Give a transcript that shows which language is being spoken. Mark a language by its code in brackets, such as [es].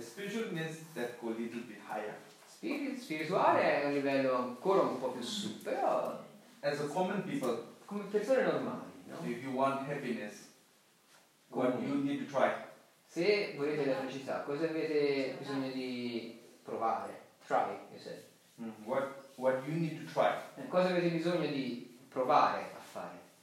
[en] Spiritual means that go a little bit higher. [it] spirituale è un livello ancora un po' più su, però [en] as a common people, [it] come persone normali, no? [en] If you want happiness, what you need to try? [it] Se volete la felicità, cosa avete bisogno di provare? [en] Try, you said. What you need to try? [it] Cosa avete bisogno di provare a fare?